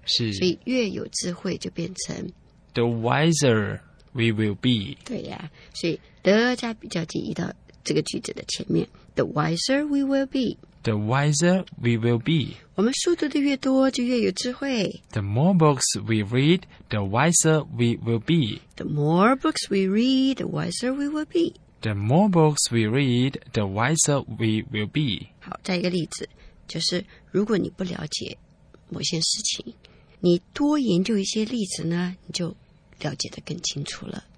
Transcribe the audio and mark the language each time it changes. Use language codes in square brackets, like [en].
[zh] 是。所以越有智慧就变成 [en] The wiser we will be. [zh] 对啊。所以 The 加比较级移到这个句子的前面。 [en] The wiser we will be. The wiser we will be. [zh] 我们书读的越多就越有智慧。 [en] The more books we read, the wiser we will be. The more books we read, the wiser we will be. The more books we read, the wiser we will be. [zh] 好，再一个例子，就是如果你不了解某些事情，你多研究一些例子呢，你就了解得更清楚了。